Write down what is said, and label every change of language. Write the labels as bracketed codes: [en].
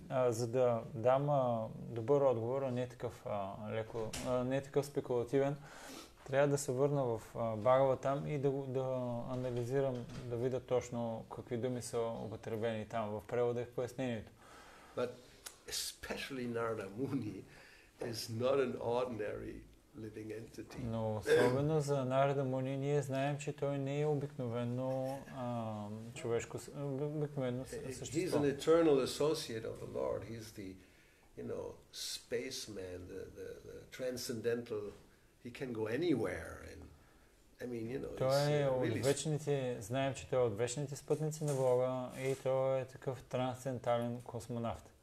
[bg] За да дам добър отговор, а не такъв леко, не такъв спекулативен, трябва да се върна в Бхагава там и да анализирам, да видя точно какви думи са употребени там в превода и в пояснението. [en] But especially Narada Muni is not an ordinary living entity. [bg] Но особено за Нарада Муни ние знаем, че той не е обикновено човешко обикновено същество. [en] He's an eternal associate of the Lord. He's the, you know, spaceman, the transcendental. He can go anywhere. And I mean, you know, [bg] той е от вечните, знаем, че той е от вечните спътници на Бога и той е такъв трансцендентален космонавт.